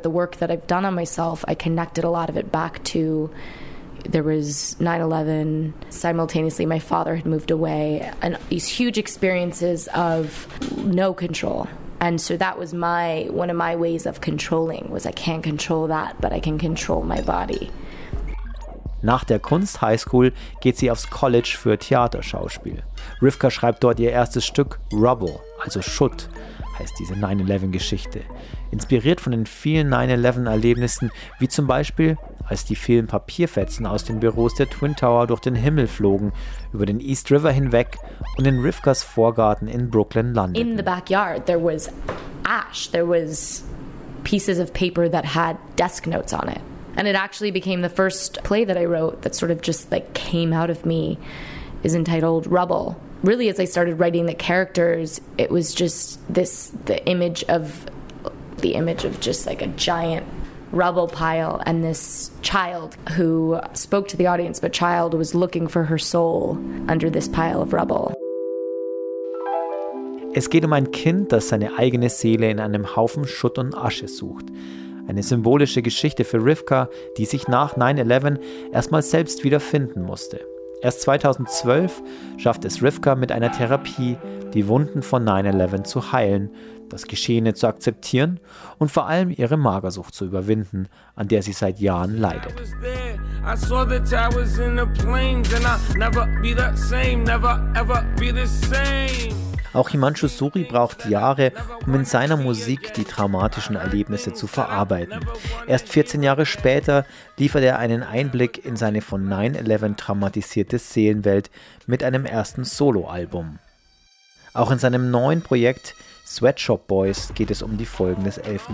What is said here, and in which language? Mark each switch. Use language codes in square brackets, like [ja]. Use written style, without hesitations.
[en] But the work that I've done on myself, I connected a lot of it back to, there was 9/11. Simultaneously, my father had moved away, and these huge experiences of no control. And so that was my, one of my ways of controlling was, I can't control that, but I can control my body. [de] Nach der Kunst High School geht sie aufs College für Theaterschauspiel. Rivka schreibt dort ihr erstes Stück Rubble, also Schutt, heißt diese 9/11-Geschichte. Inspiriert von den vielen 9/11-Erlebnissen, wie zum Beispiel, als die vielen Papierfetzen aus den Büros der Twin Tower durch den Himmel flogen, über den East River hinweg und in Rivkas Vorgarten in Brooklyn landeten. [en] In the backyard there was ash, there was pieces of paper that had desk notes on it. And it actually became the first play that I wrote that sort of just like came out of me, is entitled Rubble. Really, as I started writing the characters, it was just this, the image of just like a giant rubble pile, and this child who spoke to the audience, but child was looking for her soul under this pile of rubble. [de] Es geht um ein Kind, das seine eigene Seele in einem Haufen Schutt und Asche sucht. Eine symbolische Geschichte für Rivka, die sich nach 9/11 erstmal selbst wiederfinden musste. Erst 2012 schafft es Rivka mit einer Therapie, die Wunden von 9/11 zu heilen, das Geschehene zu akzeptieren und vor allem ihre Magersucht zu überwinden, an der sie seit Jahren leidet. [en] I saw the towers in the plains and I'll never be the same, never ever be the same. [de] Auch Himanshu Suri braucht Jahre, um in seiner Musik die traumatischen Erlebnisse zu verarbeiten. Erst 14 Jahre später liefert er einen Einblick in seine von 9/11 traumatisierte Seelenwelt mit einem ersten Soloalbum. Auch in seinem neuen Projekt Sweatshop Boys geht es um die Folgen des 11.